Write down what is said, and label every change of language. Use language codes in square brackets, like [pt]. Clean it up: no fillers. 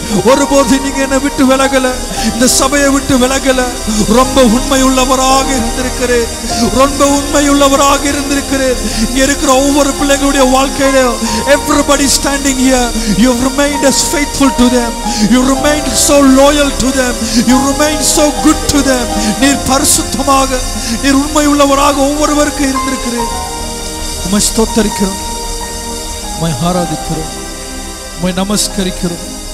[ta] ஒருபோது நீங்க என்னை விட்டு விலகல, இந்த சபையை விட்டு விலகல. ரொம்ப உண்மையுள்ளவராக இருந்திருக்கிறேன், ரொம்ப உண்மையுள்ளவராக இருந்திருக்கிறேன். இங்க இருக்கிற ஒவ்வொரு பிள்ளைகளுடைய வாழ்க்கையில, [en] everybody standing here, you remained as faithful to them, you remained so loyal to them, you remained so good to them. [ta] நீர் பரிசுத்தமாக, நீர் உண்மையுள்ளவராக ஒவ்வொருவருக்கும் இருந்திருக்கிறேன். உம்மை ஸ்தோத்தரிக்கிறோம், உம்மை ஆராதிக்கிறோம், உம்மை நமஸ்கரிக்கிறோம்.